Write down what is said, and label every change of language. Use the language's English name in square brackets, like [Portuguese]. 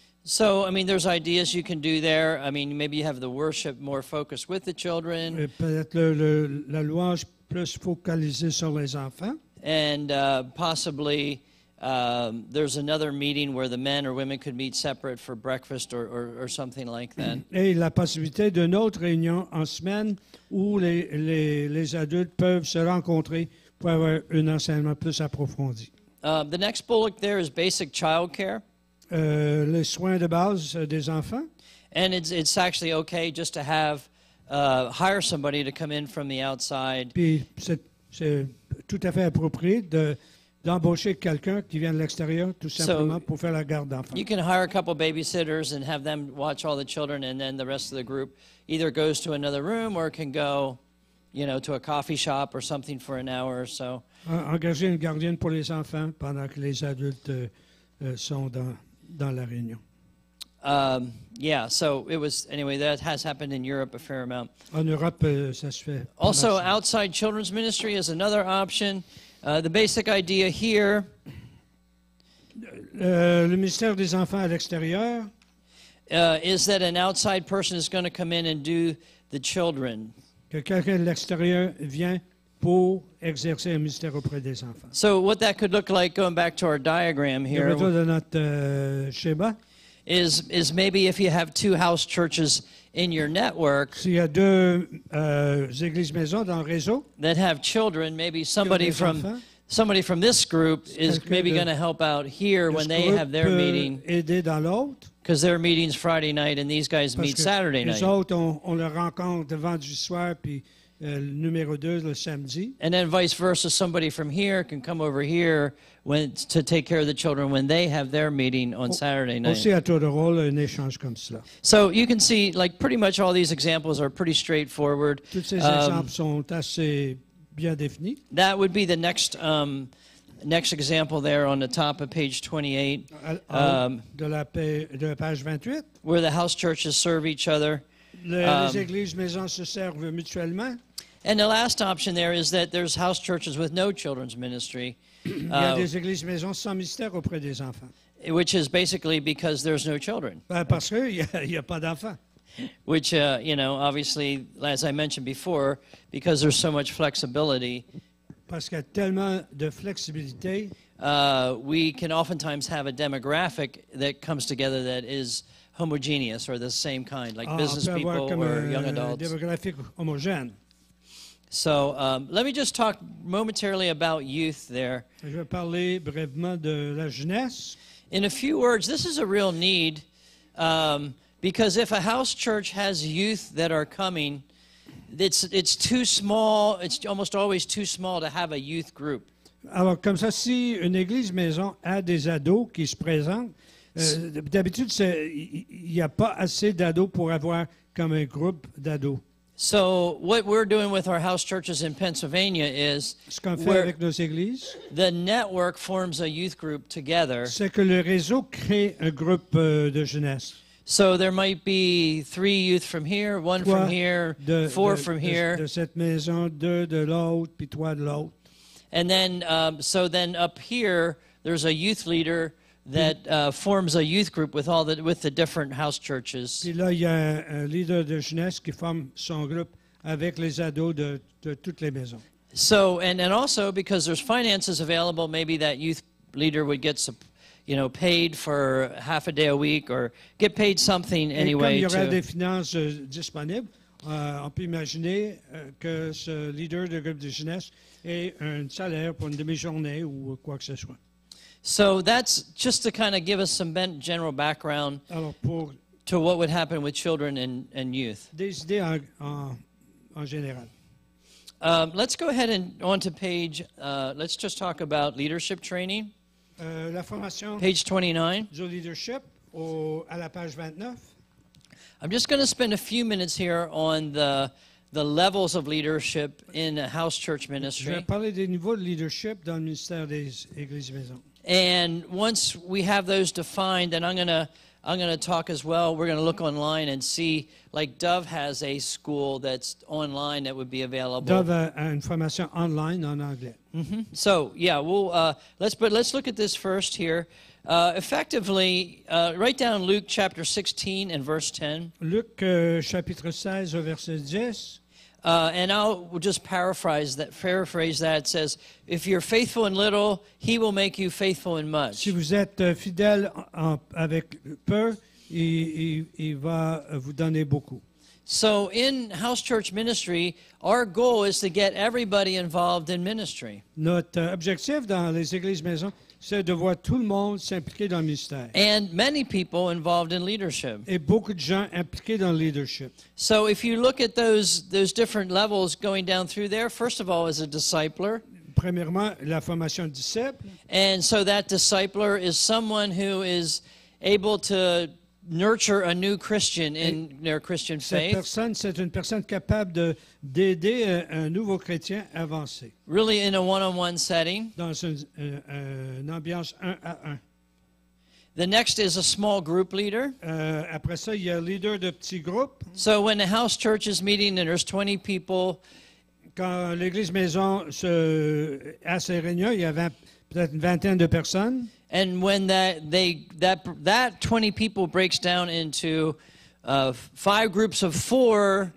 [English] So, I mean, there's ideas you can do there. I mean, maybe you have the worship more focused with the children. [French] Peut-être la louange plus focalisée sur les enfants. [English] And possibly there's another meeting where the men or women could meet separate for breakfast or something like that. [French] Et la possibilité d'une autre réunion en semaine où les adultes peuvent se rencontrer pour avoir un enseignement plus approfondi. [English] The next bullet there is basic child care. [French] Les soins de base des enfants. [English] And it's actually okay just to have hire somebody to come in from the outside. [French] Puis c'est tout à fait approprié d'embaucher quelqu'un qui vient de l'extérieur tout simplement pour faire la garde d'enfants. [English] You can hire a couple of babysitters and have them watch all the children, and then the rest of the group either goes to another room or can go, you know, to a coffee shop or something for an hour or so. [French] Engager une gardienne pour les enfants pendant que les adultes sont dans la réunion. [English] Yeah, so it was, anyway, that has happened in Europe a fair amount. [French] En Europe, ça se fait. [English] Also, outside children's ministry is another option. The basic idea here. [French] Le ministère des enfants à l'extérieur. [English] Is that an outside person is going to come in and do the children. [French] Que quelqu'un de l'extérieur vient pour exercer un ministère auprès des enfants. [English] So what that could look like, going back to our diagram here. [French] Le retour de notre schéma. [English] Is maybe if you have two house churches in your network. [French] S'il y a deux églises maison dans le réseau. [English] That have children, maybe somebody from this group is maybe going to help out here when they have their meeting. [French] Aider dans l'autre. [English] Because their meeting's Friday night and these guys meet Saturday night. [French] Les autres on le rencontre vendredi soir puis numéro deux le samedi. [English] And then vice versa, somebody from here can come over here when to take care of the children when they have their meeting on Saturday night. [French] Aussi à tour de rôle, un échange comme cela. [English] So you can see, like, pretty much all these examples are pretty straightforward. [French] Toutes ces exemples sont assez bien définis. [English] That would be the next next example there on the top of page 28. [French] De la page 28. [English] Where the house churches serve each other. [French] Les églises maisons se servent mutuellement. [English] And the last option there is that there's house churches with no children's ministry. [French] Il y a des églises maison sans ministère auprès des enfants. [English] Which is basically because there's no children. [French] Parce que y a pas d'enfants. [English] Which, you know, obviously, as I mentioned before, because there's so much flexibility, [French] parce qu'il y a tellement de flexibilité, [English] we can oftentimes have a demographic that comes together that is homogeneous or the same kind, like business people or young adults. [French] Démographique homogène. [English] So let me just talk momentarily about youth there. [French] Je vais parler brièvement de la jeunesse. [English] In a few words, this is a real need. Because if a house church has youth that are coming, it's too small, it's almost always too small to have a youth group. [French] Alors, comme ça, si une église maison a des ados qui se présentent, d'habitude, il n'y a pas assez d'ados pour avoir comme un groupe d'ados. [English] So, what we're doing with our house churches in Pennsylvania is [French] ce qu'on fait avec nos églises, [English] the network forms a youth group together. [French] C'est que le réseau crée un groupe de jeunesse. [English] So there might be three youth from here, one [French] trois [English] from here, [French] de, [English] four [French] de, [English] from [French] de, [English] here. [French] De cette maison, deux de l'autre, puis trois de l'autre. [English] And then, so then up here, there's a youth leader that forms a youth group with the different house churches. [French] Puis là, il y a un leader de jeunesse qui forme son groupe avec les ados de toutes les maisons. [English] So, and also, because there's finances available, maybe that youth leader would get some, you know, paid for half a day a week or get paid something anyway. [French] Et comme il y aurait des finances disponibles, on peut imaginer que ce leader de groupe de jeunesse ait un salaire pour une demi-journée ou quoi que ce soit. [English] So that's just to kind of give us some general background to what would happen with children and youth. [French] Des idées en général. [English] Let's go ahead and on to page, let's just talk about leadership training. [French] La formation [English] page 29. [French] Du leadership à la page 29. [English] I'm just going to spend a few minutes here on the levels of leadership in a house church ministry. [French] Je vais parler des niveaux de leadership dans le ministère des églises maison. [English] And once we have those defined, then I'm gonna talk as well. We're gonna look online and see, like Dove has a school that's online that would be available. [French] Dove a une formation online en anglais. Mm-hmm. [English] So yeah, let's look at this first here. Effectively, write down Luke chapter 16 and verse 10. [French] Luc chapitre 16 au verset 10. [English] And I'll just paraphrase that. It says, if you're faithful in little, he will make you faithful in much. [French] Si vous êtes fidèle avec peu, il va vous donner beaucoup. [English] So in house church ministry, our goal is to get everybody involved in ministry. [French] Notre objectif dans les églises maison, c'est de voir tout le monde s'impliquer dans le ministère. [English] And many people involved in leadership. [French] Et beaucoup de gens impliqués dans le leadership. [English] So if you look at those different levels going down through there, first of all, as a discipler. [French] Premièrement, la formation de disciple. [English] And so that discipler is someone who is able to nurture a new Christian in their Christian faith. [French] Cette personne, c'est une personne capable d'aider un nouveau chrétien à avancer. [English] Really in a one-on-one setting. [French] Dans une ambiance un à un. [English] The next is a small group leader. [French] Après ça, il y a leader de petit groupe. [English] So when a house church is meeting and there's 20 people. [French] Quand l'église maison a ses réunions, il y a peut-être une vingtaine de personnes. [English] And when that 20 people breaks down into five groups of four,